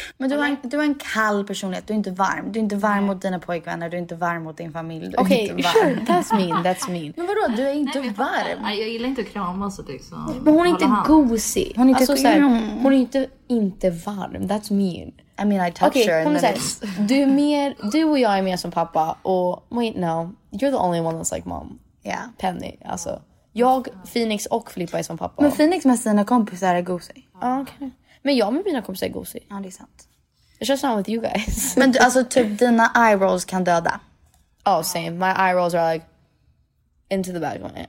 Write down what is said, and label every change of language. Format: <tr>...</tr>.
<sv>Men du, du är en kall personlighet, du är inte varm. Du är inte varm mot dina pojkvänner, du är inte varm mot din familj.</sv> <en>Okej, okay, sure, that's mean, that's mean.</en> <sv>Men vadå, du är inte varm. Nej, jag gillar inte att krama så liksom. Men hon är inte gosig. Hon är inte, alltså, såhär, hon är inte varm,</sv> <en>that's mean. I mean I touch okay, her.</en> <sv>Okej, du är mer, du och jag är mer som pappa.</sv> <en>Och wait, no, you're the only one that's like mom. Yeah.</en> <sv>Penny, alltså. Jag, Phoenix och Filippa är som pappa. Men Phoenix med sina kompisar är gosig. Ja, okej. Okay. Men jag med mina kompisar är gosig. Ja, det är sant.</sv> <en>It's just not with you guys.</en> <sv>Men du, alltså typ dina eye rolls kan döda.</sv> <en>Oh, same. My eye rolls are like into the bag.</en>